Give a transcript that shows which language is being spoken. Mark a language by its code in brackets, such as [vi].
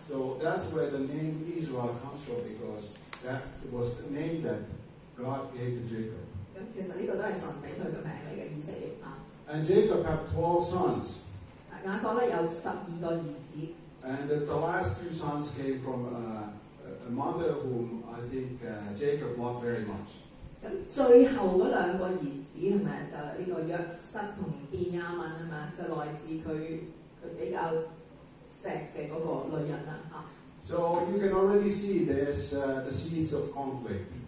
[en] So that's where the name Israel comes from, because that was the name that God gave to Jacob. [yue] 咁其實呢個都係神俾佢嘅名嚟嘅，以色列啊。 [en] And Jacob had 12 sons. [yue] 雅各咧有12個兒子。 [en] And the last two sons came from a mother whom I think Jacob loved very much. [yue] 最後嗰兩個兒子係咪就呢個約瑟同便雅敏係咪就來自佢比較錫嘅嗰個女人啦嚇。 [en] So you can already see there's the seeds of conflict。